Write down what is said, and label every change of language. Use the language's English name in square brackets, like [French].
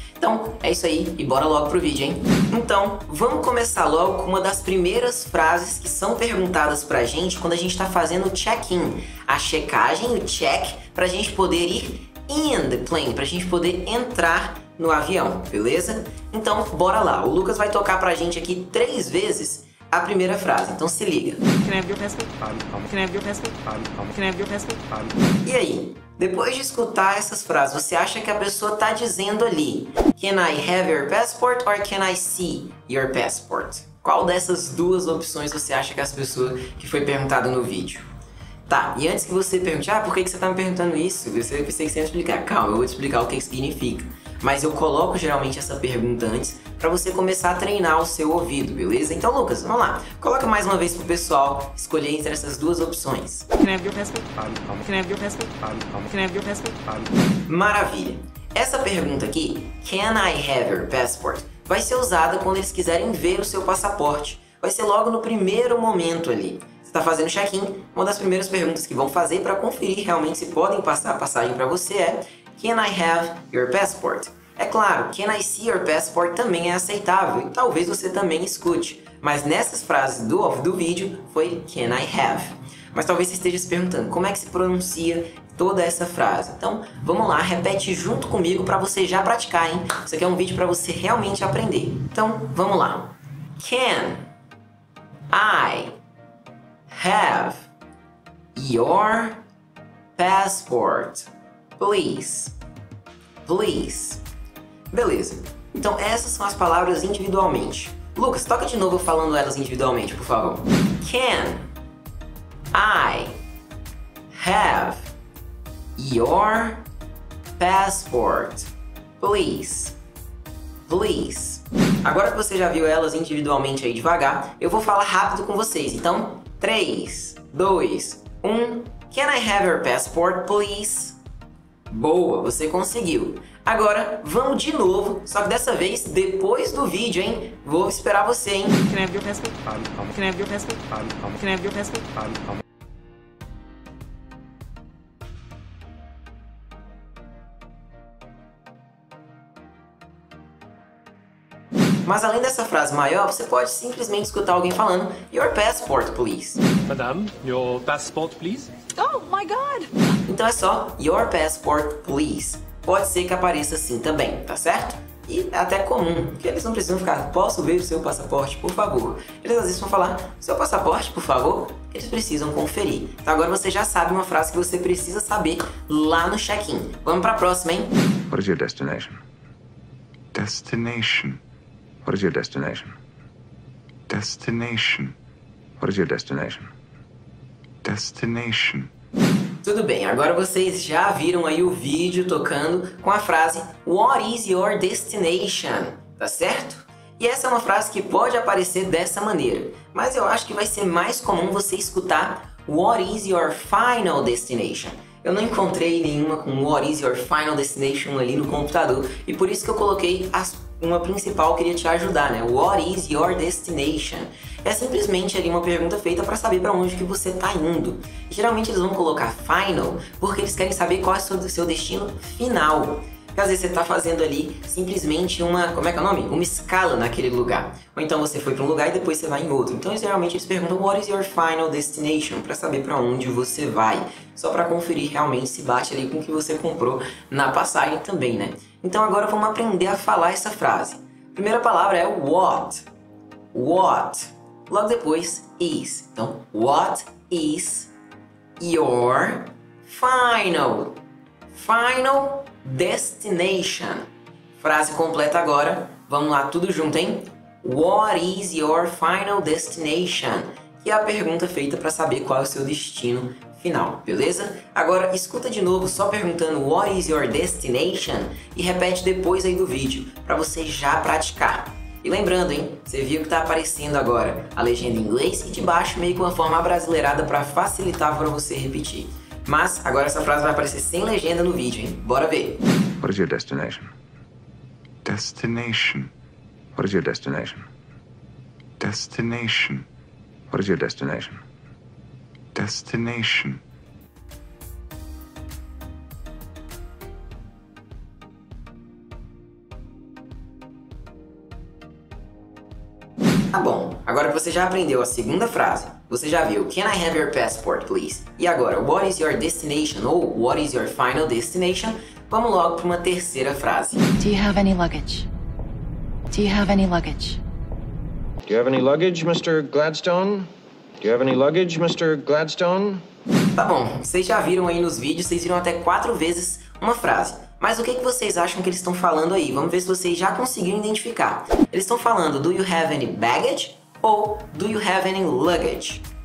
[Portuguese] Então, é isso aí e bora logo pro vídeo, hein? Então, vamos começar logo com uma das primeiras frases que são perguntadas pra gente quando a gente tá fazendo o check-in. A checagem, o check, pra gente poder ir [English] in the plane, [Portuguese] pra gente poder entrar no avião, beleza? Então, bora lá. O Lucas vai tocar pra gente aqui 3 vezes a primeira frase. Então, se liga. [English] Can I have your passport? Can I have your passport? Can I have your passport? [Portuguese] E aí? Depois de escutar essas frases, você acha que a pessoa tá dizendo ali [English] Can I have your passport or can I see your passport? [Portuguese] Qual dessas duas opções você acha que as pessoas que foi perguntado no vídeo? Tá, e antes que você pergunte, ah, por que você tá me perguntando isso? Eu pensei que você ia explicar. Calma, eu vou te explicar o que significa. Mas eu coloco geralmente essa pergunta antes pra você começar a treinar o seu ouvido, beleza? Então, Lucas, vamos lá. Coloca mais uma vez pro pessoal escolher entre essas duas opções. [English] Can I have your passport? Can I have your passport? Can I have your passport? [Portuguese] Maravilha. Essa pergunta aqui, [English] can I have your passport, [Portuguese] vai ser usada quando eles quiserem ver o seu passaporte. Vai ser logo no primeiro momento ali. Tá fazendo check-in, uma das primeiras perguntas que vão fazer para conferir realmente se podem passar a passagem para você é [English] Can I have your passport? [Portuguese] É claro, [English] can I see your passport [Portuguese] também é aceitável e talvez você também escute. Mas nessas frases do vídeo foi [English] can I have. [Portuguese] Mas talvez você esteja se perguntando como é que se pronuncia toda essa frase. Então vamos lá, repete junto comigo para você já praticar, hein? Isso aqui é um vídeo para você realmente aprender. Então vamos lá. [English] Can I have your passport, please, please. [Portuguese] Beleza, então essas são as palavras individualmente. Lucas, toca de novo falando elas individualmente, por favor. [English] Can I have your passport, please, please. [Portuguese] Agora que você já viu elas individualmente aí devagar, eu vou falar rápido com vocês, então 3, 2, 1. [English] Can I have your passport, please? [Portuguese] Boa, você conseguiu. Agora, vamos de novo, só que dessa vez depois do vídeo, hein? Vou esperar você, hein? [English] Can I have your passport? Can I have your passport? Can I have your passport? [Portuguese] Mas além dessa frase maior, você pode simplesmente escutar alguém falando [English] Your passport, please. Madame, your passport, please. Oh, my God! [Portuguese] Então é só [English] Your passport, please. [Portuguese] Pode ser que apareça assim também, tá certo? E é até comum, porque eles não precisam ficar Posso ver o seu passaporte, por favor? Eles às vezes vão falar Seu passaporte, por favor? Eles precisam conferir. Então agora você já sabe uma frase que você precisa saber lá no check-in. Vamos pra próxima, hein? [English] What is your destination? Destination. What is your destination? Destination. What is your destination? Destination. [Portuguese] Tudo bem, agora vocês já viram aí o vídeo tocando com a frase [English] What is your destination? [Portuguese] Tá certo? E essa é uma frase que pode aparecer dessa maneira. Mas eu acho que vai ser mais comum você escutar [English] What is your final destination? [Portuguese] Eu não encontrei nenhuma com [English] What is your final destination [Portuguese] ali no computador. E por isso que eu coloquei uma principal, eu queria te ajudar, né? [English] What is your destination? [Portuguese] É simplesmente ali uma pergunta feita para saber para onde que você tá indo. Geralmente eles vão colocar final porque eles querem saber qual é o seu destino final. Porque às vezes você tá fazendo ali simplesmente uma, como é que é o nome? Uma escala naquele lugar. Ou então você foi para um lugar e depois você vai em outro. Então geralmente eles perguntam [English] what is your final destination [Portuguese] para saber para onde você vai. Só para conferir realmente se bate ali com o que você comprou na passagem também, né? Então agora vamos aprender a falar essa frase. Primeira palavra é what. What. Logo depois, is. [English] Então, what is your final? Final destination. [Portuguese] Frase completa agora. Vamos lá, tudo junto, hein? [English] What is your final destination? [Portuguese] Que é a pergunta feita para saber qual é o seu destino final, beleza? Agora, escuta de novo só perguntando [English] what is your destination [Portuguese] e repete depois aí do vídeo para você já praticar. E lembrando, hein, você viu que tá aparecendo agora a legenda em inglês e de baixo meio com uma forma abrasileirada para facilitar para você repetir. Mas agora essa frase vai aparecer sem legenda no vídeo, hein? Bora ver. [English] What is your destination? Destination. What is your destination? Destination. What is your destination? Destination. [Portuguese] Tá bom, agora que você já aprendeu a segunda frase, você já viu [English] Can I have your passport, please? [Portuguese] E agora, [English] what is your destination [Portuguese] ou [English] what is your final destination? [Portuguese] Vamos logo para uma terceira frase. [English] Do you have any luggage? Do you have any luggage? Do you have any luggage, Mr. Gladstone? Do you have any luggage, Mr. Gladstone? [Portuguese] Tá bom, vocês já viram aí nos vídeos, vocês viram até quatro vezes uma frase. Mas o que vocês acham que eles estão falando aí? Vamos ver se vocês já conseguiram identificar. Eles estão falando, [English] do you have any baggage? [Portuguese] Ou, [English] do you have any luggage?